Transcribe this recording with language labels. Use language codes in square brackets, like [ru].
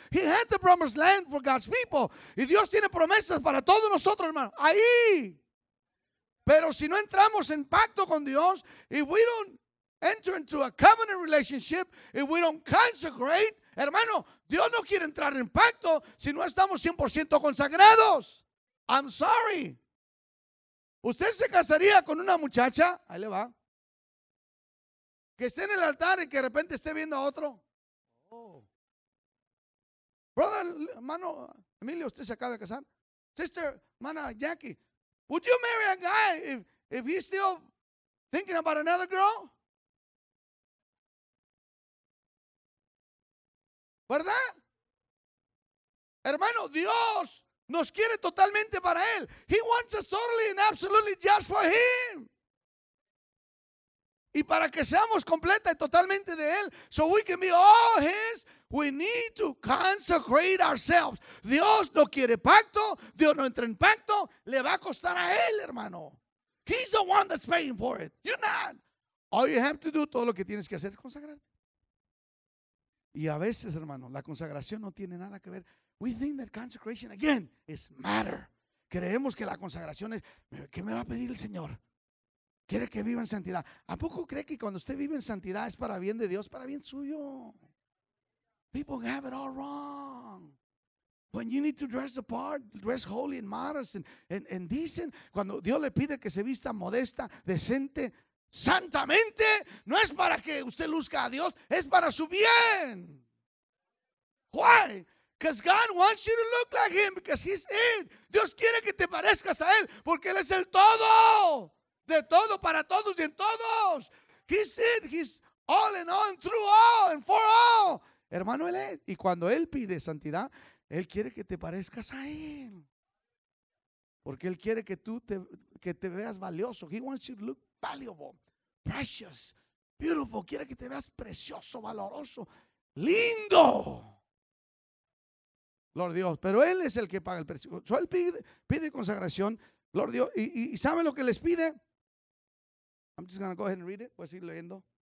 [en] He had the promised land for God's people. [es] Y Dios tiene promesas para todos nosotros, hermano. Ahí. Pero si no entramos en pacto con Dios, [en] if we don't enter into a covenant relationship, if we don't consecrate, [es] hermano, Dios no quiere entrar en pacto si no estamos 100% consagrados. [en] I'm sorry. [es] ¿Usted se casaría con una muchacha? Ahí le va. Que esté en el altar y que de repente esté viendo a otro. Oh. Brother, hermano Emilio, usted se acaba de casar. [en] Sister, hermana Jackie, would you marry a guy if he's still thinking about another girl? [es] ¿Verdad? Hermano, Dios nos quiere totalmente para Él. [en] He wants us totally and absolutely just for Him. [es] Y para que seamos completa y totalmente de Él, [en] so we can be all His, we need to consecrate ourselves. [es] Dios no quiere pacto. Dios no entra en pacto. Le va a costar a Él, hermano. [en] He's the one that's paying for it. You're not. All you have to do, [es] todo lo que tienes que hacer es consagrar. Y a veces, hermano, la consagración no tiene nada que ver. [en] We think that consecration, again, is matter. [es] Creemos que la consagración es, ¿qué me va a pedir el Señor? Quiere que viva en santidad. ¿A poco cree que cuando usted vive en santidad es para bien de Dios, para bien suyo? [en] People have it all wrong. When you need to dress apart, dress holy and modest. And decent, [es] cuando Dios le pide que se vista modesta, decente, santamente, no es para que usted luzca a Dios, es para su bien. [en] Why? Because God wants you to look like him, because he's it. [es] Dios quiere que te parezcas a él, porque él es el todo. De todo, para todos y en todos. [en] He's it, he's all in all, and through all, and for all. [es] Hermano, él es. Y cuando él pide santidad, él quiere que te parezcas a él. Porque él quiere que tú te, que te veas valioso. [en] He wants you to look valuable, precious, beautiful. [es] Quiere que te veas precioso, valoroso, lindo. Lord Dios, pero él es el que paga el precio. So él pide consagración, Lord Dios, y ¿sabe lo que les pide? [en] I'm just going to go ahead and read it. [es] Voy a seguir leyendo.